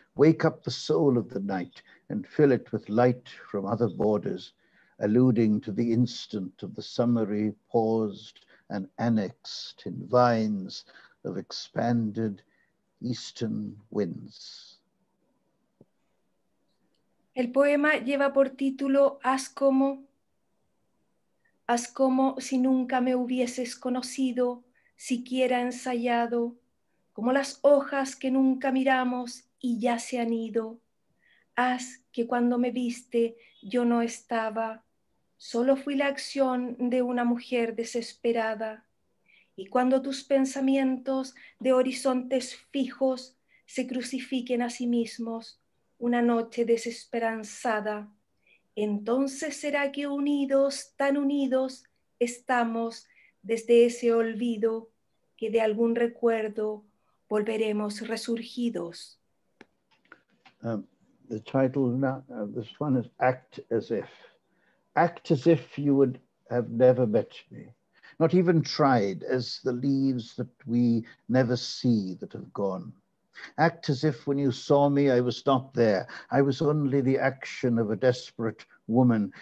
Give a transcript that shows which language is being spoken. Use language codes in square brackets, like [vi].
[en] Wake up the soul of the night and fill it with light from other borders, alluding to the instant of the summary paused and annexed in vines of expanded eastern winds. [es] El poema lleva por título Haz como si nunca me hubieses conocido, siquiera ensayado, como las hojas que nunca miramos y ya se han ido. Haz que cuando me viste yo no estaba, solo fui la acción de una mujer desesperada. Y cuando tus pensamientos de horizontes fijos se crucifiquen a sí mismos, una noche desesperanzada, entonces será que unidos, tan unidos, estamos desde ese olvido que de algún recuerdo volveremos resurgidos. [en] The title of this one is Act As If. Act as if you would have never met me, not even tried, as the leaves that we never see that have gone. Act as if when you saw me, I was not there. I was only the action of a desperate woman.